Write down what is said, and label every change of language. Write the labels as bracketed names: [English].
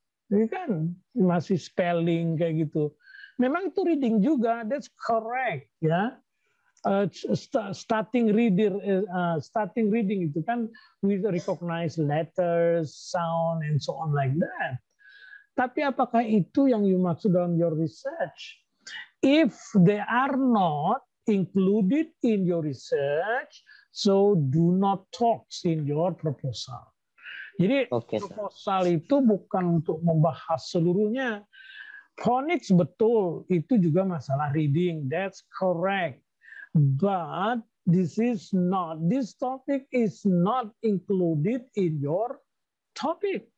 [Indonesian] Ini kan masih spelling kayak gitu. Memang itu reading juga, [English] that's correct, [Indonesian] ya. Yeah? [English] Starting reading [Indonesian] itu kan [English] we recognize letters, sound, and so on like that. [Indonesian] Tapi apakah itu yang you maksud dalam [English] your research? If they are not included in your research, so do not talk in your proposal. [Indonesian] Jadi proposal itu bukan untuk membahas seluruhnya. Phonics betul, itu juga masalah reading. [English] That's correct. But this topic is not included in your topic.